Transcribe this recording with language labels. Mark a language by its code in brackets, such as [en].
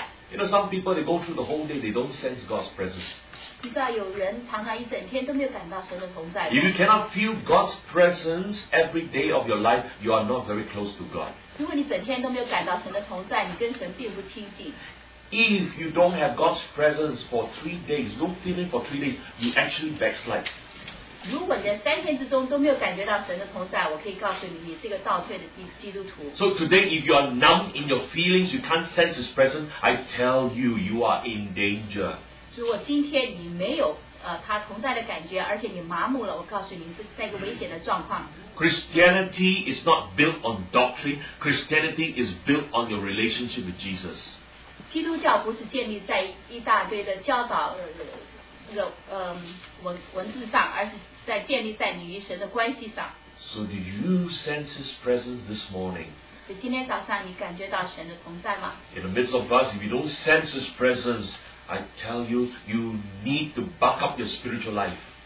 [en] You know, some people, they go through the whole day, they don't sense God's presence. If you cannot feel God's presence every day of your life, you are not very close to God. If you don't have God's presence for 3 days, no feeling for 3 days, you actually backslide. [zh] 如果你在三天之中都没有感觉到神的同在，我可以告诉你，你是个倒退的基督徒。 [en] So today, if you are numb in your feelings, you can't sense His presence. I tell you, you are in danger. [zh] 如果今天你没有他同在的感觉，而且你麻木了，我告诉你，是在一个危险的状况。 [en] Christianity is not built on doctrine. Christianity is built on your relationship with Jesus. [zh] 基督教不是建立在一大堆的教导。 [en] So do you sense His presence this morning? In the midst of us, if you don't sense His presence, I tell you, you need to buck up your spiritual life.